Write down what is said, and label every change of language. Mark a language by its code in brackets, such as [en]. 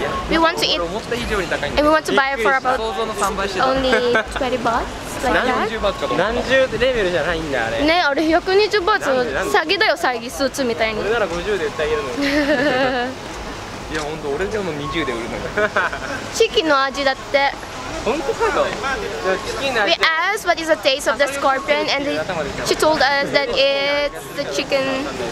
[en] We want to eat, and we want to buy it for about only 20 bahts, like that. [ja] 何十レベルじゃないんだあれ。ね、あれ120バーツの詐欺だよ、詐欺スーツみたいに。俺なら50で売ってあげるの。いや、本当俺でも20で売るの。チキンの味だって。 [en] We asked what is the taste of the scorpion, and she told us that it's the chicken.